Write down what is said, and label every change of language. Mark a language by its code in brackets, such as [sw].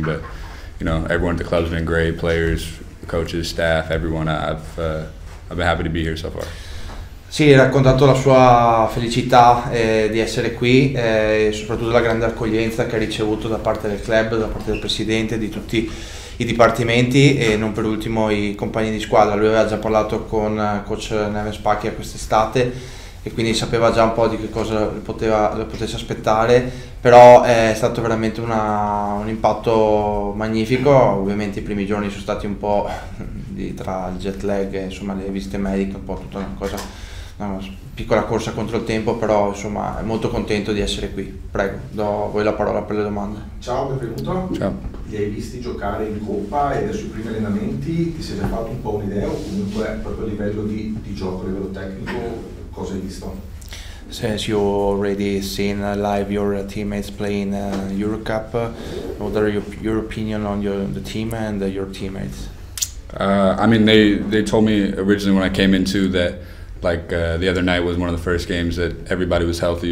[en] But you know, everyone at the club's been great. Players, coaches, staff, everyone. I've been happy to be here so far. [it] Sì, ha raccontato la sua felicità di essere qui e soprattutto la grande accoglienza che ha ricevuto da parte del club, da parte del presidente, di tutti i dipartimenti e non per ultimo i compagni di squadra. Lui aveva già parlato con coach Neves Pacchia quest'estate e quindi sapeva già un po' di che cosa potesse aspettare, però è stato veramente un impatto magnifico. Ovviamente i primi giorni sono stati un po' tra il jet lag e insomma le visite mediche, un po' tutta una piccola corsa contro il tempo, però insomma è molto contento di essere qui. Prego, do a voi la parola per le domande. Ciao, benvenuto. Ciao. Li hai visti giocare in Coppa e adesso i primi allenamenti, ti sei già fatto un po' un'idea o comunque proprio a livello di gioco, a livello tecnico, cosa hai visto? [en] Since you already seen live your teammates playing Eurocup, what are your opinion on the team and your teammates? I mean, they told me originally when I came into that, like the other night was one of the first games that everybody was healthy.